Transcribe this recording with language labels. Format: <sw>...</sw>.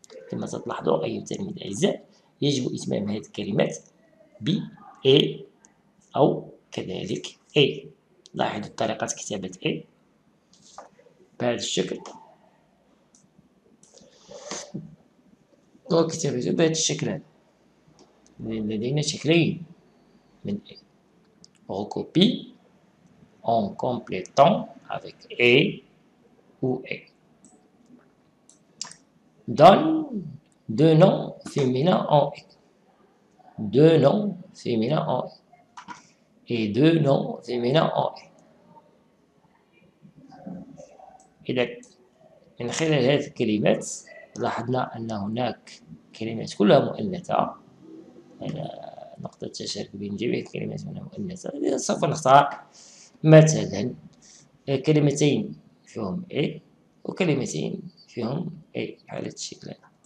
<ar>كما ستلاحظوا أيها التلاميذ الأعزاء، يجب إتمام هذه الكلمات ب إي أو كذلك إي. لاحظوا طريقة كتابة إي بهذا الشكل، وكتابته بهذا الشكل. لدينا شكلين من إي.</ar> <fr>Recopie en complétant avec E ou E. Donne deux noms féminins en E. Deux noms féminins en E. Et deux noms féminins en E. Et donc,</fr> <ar>من خلال هذه الكلمات لاحظنا أن هناك كلمات كلها مؤنثة. نقطة تشارك بين جميع الكلمات من المؤنثة. سوف نختار مثلا كلمتين فيهم اي وكلمتين فيهم اي على الشكل هذا.</ar>